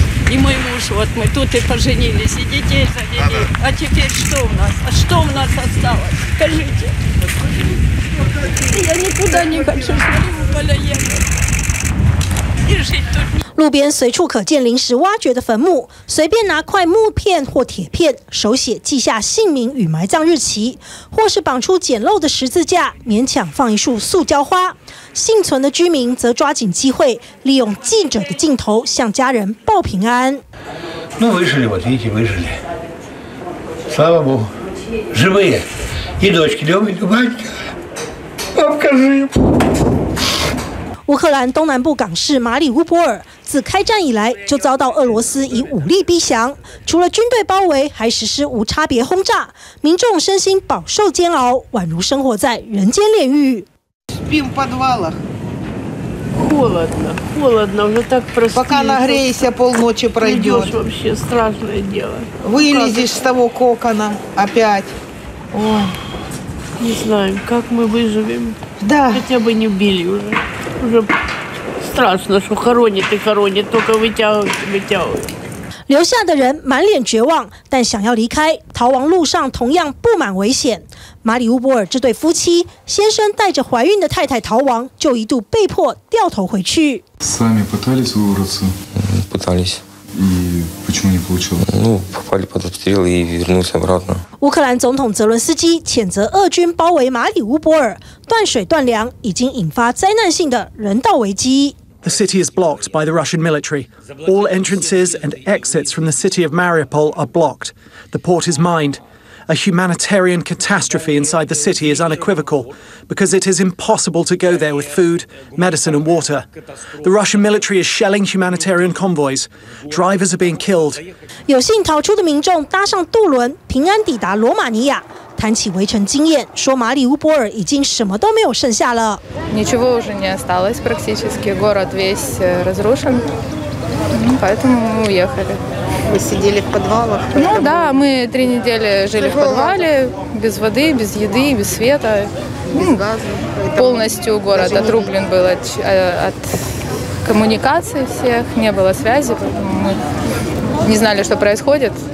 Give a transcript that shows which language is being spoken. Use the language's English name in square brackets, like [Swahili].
[Russian] И мой муж, вот мы тут и поженились, и детей завели. А теперь что у нас? А что у нас осталось? Скажите. Я никуда не хочу, смотри, уголя ехать. И жить тут не... [Chinese] 路边随处可见临时挖掘的坟墓，随便拿块木片或铁片，手写记下姓名与埋葬日期，或是绑出简陋的十字架，勉强放一束塑胶花。幸存的居民则抓紧机会，利用记者的镜头向家人报平安。 [Russian] ну вышли вот видите вышли, слава богу, живые, и дочки любят батька, папка жив. [Chinese] 乌克兰东南部港市马里乌波尔，自开战以来就遭到俄罗斯以武力逼降，除了军队包围，还实施无差别轰炸，民众身心饱受煎熬，宛如生活在人间炼狱。 [Russian] Спим в подвалах, холодно, холодно, уже так просто. Пока нагреешься, полночи пройдет. Идешь вообще страшное дело. Вылезешь с того кокона опять. Ой, не знаю, как мы выживем. Да. Хотя бы не убили уже. Уже страшно, что хоронит и хоронит, только вытягивают. [Chinese] 留下的人满脸绝望，但想要离开，逃亡路上同样布满危险。马里乌波尔这对夫妻，先生带着怀孕的太太逃亡，就一度被迫掉头回去。 [Russian] Сами пытались выбраться? Пытались. И почему не получилось? Ну, попали под обстрел и вернулись обратно. [Chinese] 乌克兰总统泽伦斯基谴责俄军包围马里乌波尔，断水断粮已经引发灾难性的人道危机。 [English] The city is blocked by the Russian military. All entrances and exits from the city of Mariupol are blocked. The port is mined. A humanitarian catastrophe inside the city is unequivocal, because it is impossible to go there with food, medicine, and water. The Russian military is shelling humanitarian convoys. Drivers are being killed. [Chinese] 有幸逃出的民众搭上渡轮，平安抵达罗马尼亚。谈起围城经验，说马里乌波尔已经什么都没有剩下了。 [Russian] Ничего уже не осталось практически. Город весь разрушен, поэтому мы уехали. Вы сидели в подвалах? Ну да, мы 3 недели жили в подвале, без воды, без еды, без света. Без газа. Полностью город отрублен был от коммуникаций всех, не было связи, поэтому мы не знали, что происходит.